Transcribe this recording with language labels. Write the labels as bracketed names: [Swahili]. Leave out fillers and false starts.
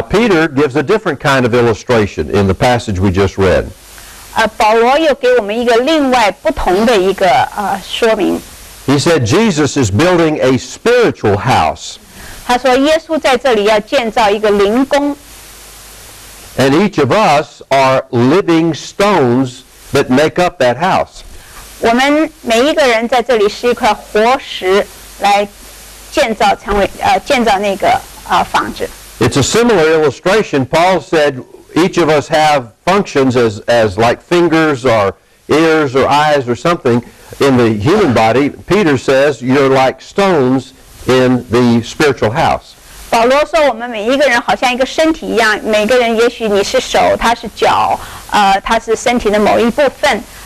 [English] Peter gives a different kind of illustration in the passage we just read. [Chinese] 保罗又给我们一个另外不同的一个说明。 [English] He said Jesus is building a spiritual house. [Chinese] 他说耶稣在这里要建造一个灵宫。 [English] And each of us are living stones that make up that house. [Chinese] 我们每一个人在这里是一块活石来建造那个房子。 [English] It's a similar illustration. Paul said each of us have functions as like fingers or ears or eyes or something in the human body. Peter says you're like stones in the spiritual house. [Chinese] 保罗说我们每一个人好像一个身体一样，每个人也许你是手，他是脚，他是身体的某一部分。